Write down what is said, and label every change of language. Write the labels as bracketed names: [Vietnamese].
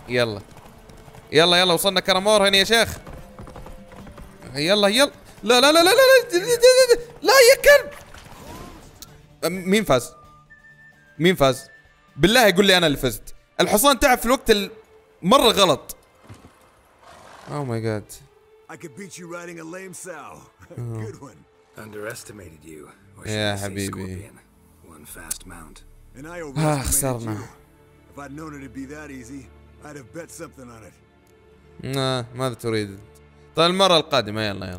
[Arabic] يلا يلا يلا وصلنا كرامور هنا يا شيخ. يلا يلا. لا لا لا لا لا لا لا لا يا كلب. مين فاز؟ مين فاز؟ بالله يقول لي انا اللي فزت. الحصان تعب في الوقت المره غلط. [English] Oh my god. I could beat you riding a lame sow. Good one. Underestimated you. [Arabic] يا حبيبي. [English] One fast mount. And I overestimated you. If I'd known it'd be that easy, I'd have bet something on it. [Arabic] ماذا تريد؟ طيب المرة القادمة يلا يلا.